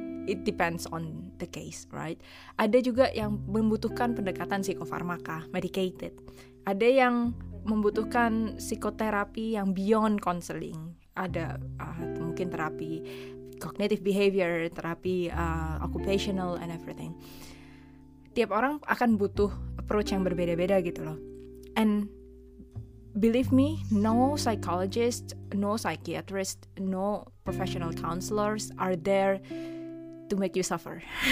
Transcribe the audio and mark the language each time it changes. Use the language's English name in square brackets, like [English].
[English] It depends on the case, right? [Indonesian] Ada juga yang membutuhkan pendekatan psikofarmaka, medicated. Ada yang membutuhkan psikoterapi yang beyond konseling. Ada mungkin terapi [English] cognitive behavior, terapi occupational and everything. [Indonesian] Tiap orang akan butuh approach yang berbeda-beda gitu loh. [English] And believe me, no psychologist, no psychiatrist, no professional counselors are there to make you suffer.